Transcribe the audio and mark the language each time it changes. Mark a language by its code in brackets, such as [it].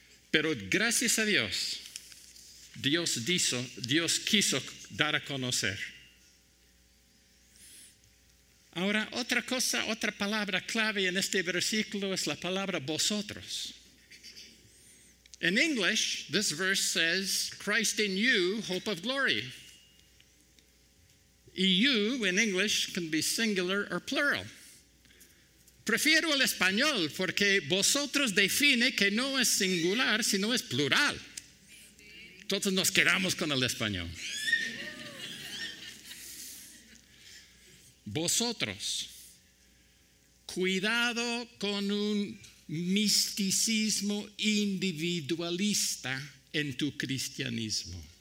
[es] Pero gracias a Dios, Dios quiso dar a conocer. Ahora, otra cosa, otra palabra clave en este versículo es la palabra vosotros. [en] In English, this verse says, Christ in you, hope of glory. Y you, in English, can be singular or plural. [es] Prefiero el español porque vosotros define que no es singular, sino es plural. Todos nos quedamos con el español. Vosotros, cuidado con un misticismo individualista en tu cristianismo.